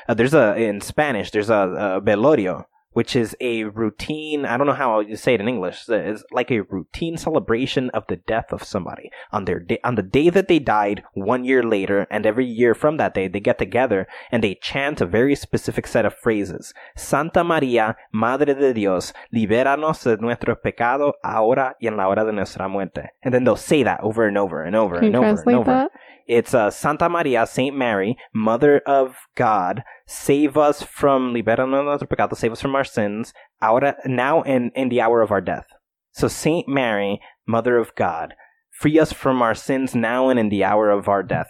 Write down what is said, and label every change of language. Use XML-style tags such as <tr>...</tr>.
<en>In Spanish, there's a velorio, which is a routine. I don't know how you say it in English. It's like a routine celebration of the death of somebody on their on the day that they died 1 year later. And every year from that day, they get together and they chant a very specific set of phrases.</en> <es>Santa María, Madre de Dios, libéranos de nuestro pecado ahora y en la hora de nuestra muerte.</es> <en>And then they'll say that over and over and over Can you translate that? It's Santa María, Saint Mary, Mother of God, save us from our sins, now and in the hour of our death. So Saint Mary, Mother of God, free us from our sins now and in the hour of our death.</en>